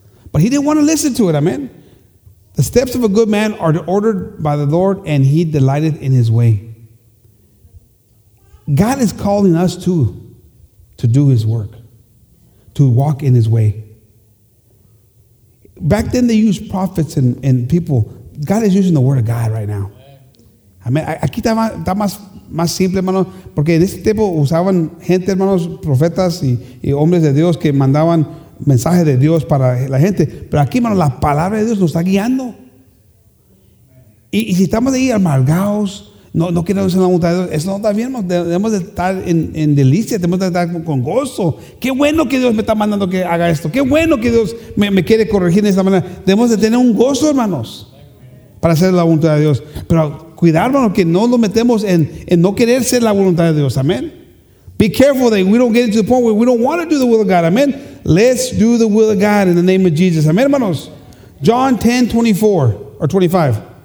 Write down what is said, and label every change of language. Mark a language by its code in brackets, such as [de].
[en] But he didn't want to listen to it, amen. The steps of a good man are ordered by the Lord, and he delighted in his way. God is calling us to do his work, to walk in his way. Back then, they used prophets and people. God is using the word of God right now. Amen. [es] Aquí está más simple, hermano, porque en este tiempo usaban gente, hermanos, profetas y hombres de Dios que mandaban mensaje de Dios para la gente. Pero aquí, hermano, la palabra de Dios nos está guiando. Y si estamos ahí amargados, no queremos hacer la voluntad de Dios, eso no está bien, hermano. Debemos de estar en delicia, debemos de estar con gozo. Qué bueno que Dios me está mandando que haga esto. Qué bueno que Dios me quiere corregir de esta manera. Debemos de tener un gozo, hermanos, para hacer la voluntad de Dios. Pero cuidado, hermano, que no nos metemos en no querer ser la voluntad de Dios. Amén. [en] Be careful that we don't get into the point where we don't want to do the will of God. Amen. Let's do the will of God in the name of Jesus. [es] Amen, hermanos. [en] John 10, 24 or 25.